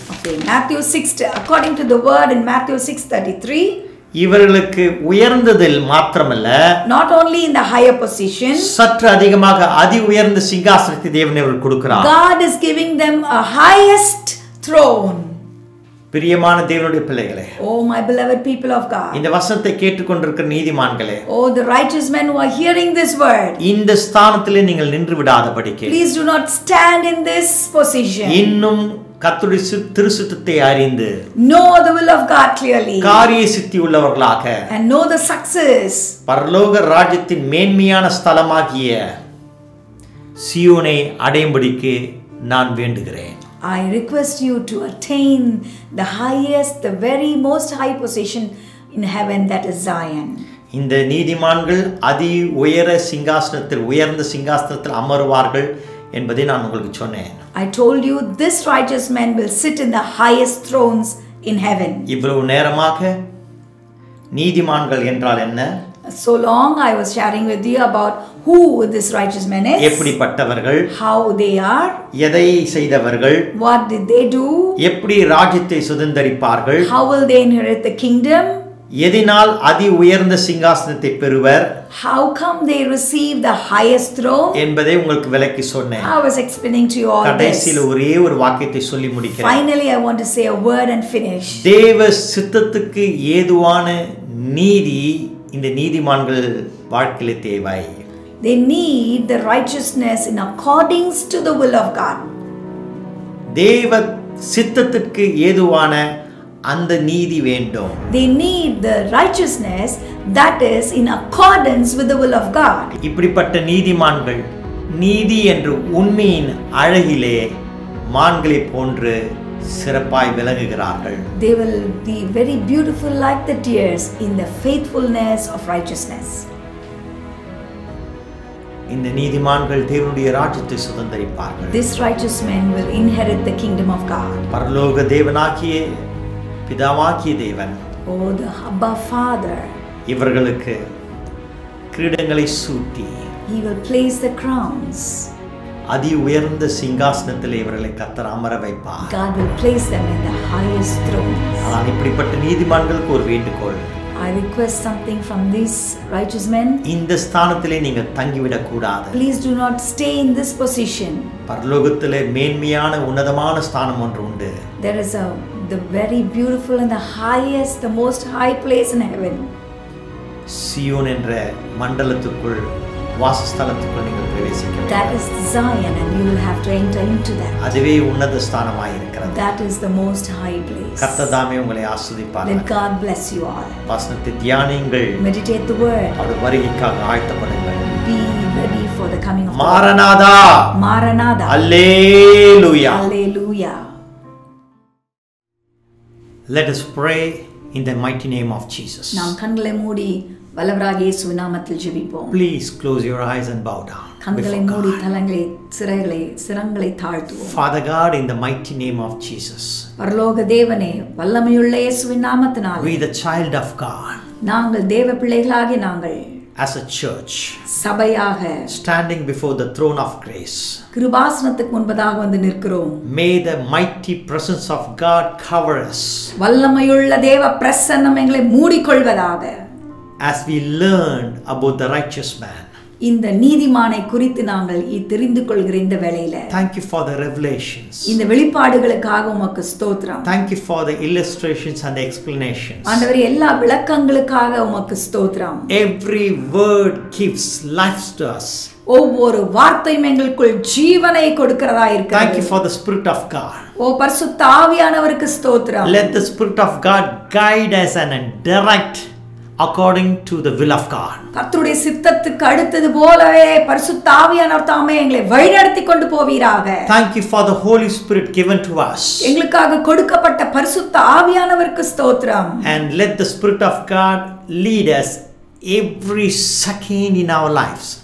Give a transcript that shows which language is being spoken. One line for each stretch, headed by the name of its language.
English: okay matthew 6 according to the word in matthew 6:33
Tamil: இவர்களுக்கு உயர்ந்ததில் மட்டுமல்ல
English: not only in the higher position
Tamil: சற்ற அதிகமாக அதி உயர்ந்த சிங்காசனத்தை தேவன் அவர்களுக்கு கொடுக்கிறார்
English: god is giving them a highest throne
Tamil: பிரியமான தேவனுடைய பிள்ளைகளே
English: oh my beloved people of God
Tamil: இந்த வசனத்தை கேட்டுக்கொண்டிருக்கிற நீதிமான்களே
English: oh the righteous men who are hearing this word
Tamil: இந்த ஸ்தானத்திலே நீங்கள் நின்று விடாதபடிக்கு
English: please do not stand in this position
Tamil: இன்னும் கர்த்தருடைய திருசுத்தத்தை அறிந்து
English: know the will of god clearly
Tamil: காரிய சித்தி உள்ளவர்களாக
English: and know the success
Tamil: பரலோக ராஜ்யத்தின் மேன்மையான ஸ்தலமாகிய சியோனை அடையும்படிக்கு நான் வேண்டுகிறேன்
English: I request you to attain the highest the very most high position in heaven that is Zion
Tamil: இந்த நீதிமான்கள் அதி உயர சிங்காசனத்தில் உயர்ந்த சிங்காசனத்தில் அமர்வார்கள் என்பதை நான் உங்களுக்கு சொன்னேன்
English: I told you this righteous man will sit in the highest thrones in heaven
Tamil: இவ்வளவு நேரமாக நீதிமான்கள் என்றால் என்ன
English: so long I was sharing with you about who this righteous man is
Tamil: எப்படி பட்டவர்கள்
English: how they are
Tamil: எதை செய்தவர்கள்
English: what did they do
Tamil: எப்படி ராஜ்யத்தை சுதந்தரிப்பார்கள்
English: how will they inherit the kingdom
Tamil: எதினால் அதி உயர்ந்த சிங்காசனத்தை பெறுவர்
English: how come they receive the highest throne
Tamil: என்பதை உங்களுக்கு விளக்கி சொன்னேன்
English: i was explaining to you all
Tamil: கடைசியில் ஒரே ஒரு வாக்கியத்தை சொல்லி முடிக்கிறேன்
English: finally i want to say a word and finish
Tamil: தேவ சித்தத்துக்கு ஏதுவான நீதி இந்த நீதிமான்கள் வாழ்க்கையிலே தேவை
English: they need the righteousness in accordance to the will of god
Tamil: தேவ சித்தத்துக்கு ஏதுவான அந்த நீதி வேண்டும்
English: they need the righteousness that is in accordance with the will of god
Tamil: இப்படிப்பட்ட நீதிமான்கள் நீதி என்று உண்மையின் அழகிலே மான்களை போன்று சிறப்பாய் விளங்குகிறார்கள்
English: they will be very beautiful like the deers in the faithfulness of righteousness
Tamil: இந்த நீதிமான்கள் தேவனுடைய ராஜ்யத்தை சுதந்தரிப்பார்கள்
English: this righteous man will inherit the kingdom of god
Tamil: பரலோக தேவனாகிய பிதாவாகிய தேவன்
English: oh the abba father
Tamil: இவர்களுக்கு கிரீடங்களை சூட்டி
English: he will place the crowns
Tamil: அதி உயர்ந்த சிங்காசனத்தில் இவர்களை கர்த்தர் அமர வைப்பார்
English: god will place them in the highest throne
Tamil: அவர் இப்படிப்பட்ட நீதிமான்களுக்கு ஒரு வேண்டுகோள்
English: I request something from these righteous men.
Tamil: இந்த ஸ்தானத்திலே நீங்க தங்கி விட கூடாது.
English: Please do not stay in this position.
Tamil: பரலோகத்திலே மேன்மையான உன்னதமான ஸ்தானம் ஒன்று உண்டு.
English: There is a the very beautiful and the highest the most high place in heaven.
Tamil: Zion என்ற மண்டலத்துக்குள் வாசஸ்தலத்துக்குள் நீங்கள் பிரவேசிக்க வேண்டும்.
English: That is Zion and you will have to enter into that.
Tamil: அதுவே உன்னத ஸ்தானமாய் இருக்கிறது.
English: That is the most high place.
Tamil: கர்த்தாமே உங்களை ஆசீர்வதிப்பார்.
English: Let God bless you all.
Tamil: வசனத்தை தியானியுங்கள்.
English: Meditate the word.
Tamil: அவர் வருகைக்காக ஆயத்தப்படுங்கள்.
English: Be ready for the coming of Maranatha. மாரநாதா. அல்லேலூயா. அல்லேலூயா. Let us pray in the mighty name of Jesus.
Tamil: நாம் கண்களை மூடி வல்லவராக இயேசு நாமத்தில் ஜெபிப்போம்.
English: Please close your eyes and bow down.
Tamil: கண்களை மூடி தலங்களை சிறைகளை சிரங்களை தாழ்த்துவோம்.
English: Father God in the mighty name of Jesus.
Tamil: பரலோக தேவனே வல்லமையுள்ள இயேசுவின் நாமத்தினால்.
English: We the child of God.
Tamil: நாங்கள் தேவ பிள்ளைகளாகிய நாங்கள்.
English: As a church.
Tamil: சபையாக.
English: Standing before the throne of grace.
Tamil: கிருபாசனத்துக்கு முன்பதாக வந்து நிற்கிறோம்.
English: May the mighty presence of God cover us.
Tamil: வல்லமையுள்ள தேவ பிரசன்னம் எங்களை மூடிக்கொள்வதாக.
English: As we learned about the righteous man.
Tamil: இந்த நீதிமானை குறித்து நாங்கள் தெரிந்து கொள்கிற இந்த வேளையில
English: Thank you for the revelations.
Tamil: இந்த வெளிப்பாடுகளுக்காக உமக்கு ஸ்தோத்திரம்.
English: Thank you for the illustrations and the explanations.
Tamil: ஆண்டவரே எல்லா விளக்கங்களுக்காக உமக்கு ஸ்தோத்திரம்.
English: Every word gives life to us.
Tamil: ஒவ்வொரு வார்த்தையும் எங்களுக்குள் ஜீவனை கொடுக்கிறதா இருக்கு.
English: Thank you for the spirit of God.
Tamil: ஓ பரிசுத்த ஆவியானவருக்கு ஸ்தோத்திரம்.
English: Let the spirit of God guide us and direct according to the will of god
Tamil: கர்த்தருடைய சித்தத்துக்கு அடுத்தது போலவே பரிசுத்த ஆவியானவர் தாமே எங்களை வழிநடத்தி கொண்டு போவீராக
English: thank you for the holy spirit given to us
Tamil: எங்களுக்காக கொடுக்கப்பட்ட பரிசுத்த ஆவியானவருக்கு ஸ்தோத்திரம்
English: and let the spirit of god lead us every second in our lives